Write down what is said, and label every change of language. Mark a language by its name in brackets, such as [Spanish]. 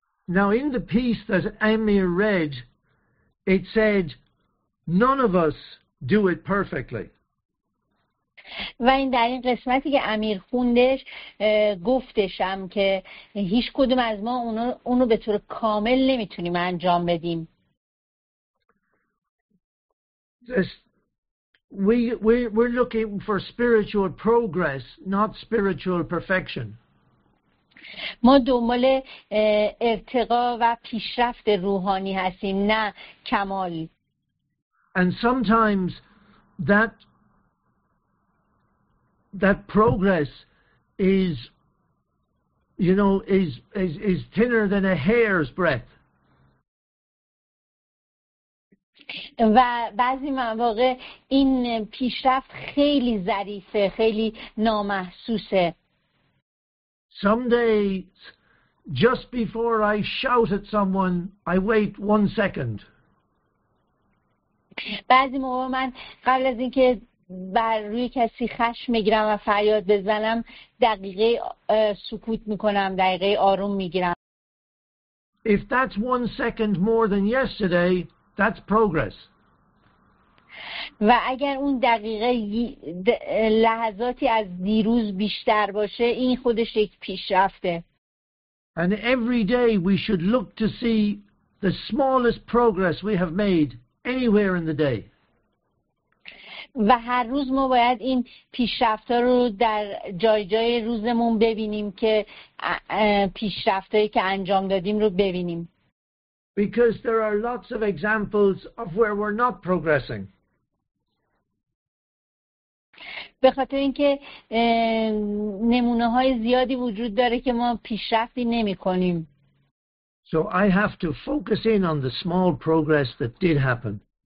[English] Now in the piece that Amir read, it said, none of us do it perfectly. [Persian] و این در این قسمتی که امیر خوندش گفتشم که هیچ کدوم از ما اونو به طور کامل نمیتونیم انجام بدیم. [English] We're looking for spiritual progress, not spiritual perfection. [Persian] ما دنبال ارتقا و پیشرفت روحانی هستیم نه کمال. [English] And sometimes that progress is, you know, is thinner than a hair's breadth. [Persian] و بعضی مواقع این پیشرفت خیلی ظریفه، خیلی نامحسوسه. [English] Some days, just before I shout at someone, I wait 1 second. [Persian] بعضی موقع من قبل از اینکه بر روی کسی خشم میگیرم و فریاد بزنم دقیقه سکوت میکنم، دقیقه آروم میگیرم. [English] If that's 1 second more than yesterday, that's progress. [Persian] و اگر اون دقیقه لحظاتی از دیروز بیشتر باشه این خودش یک پیشرفته. [English] And every day we should look to see the smallest progress we have made anywhere in the day. [Persian] و هر روز ما باید این پیشرفت ها رو در جای جای روزمون ببینیم که پیشرفت هایی که انجام دادیم رو ببینیم. [English] Because there are lots of examples of where we're not progressing. [Persian] به خاطر اینکه نمونه های زیادی وجود داره که ما پیشرفتی نمی کنیم. [English] So I have to focus in on the small progress that did happen.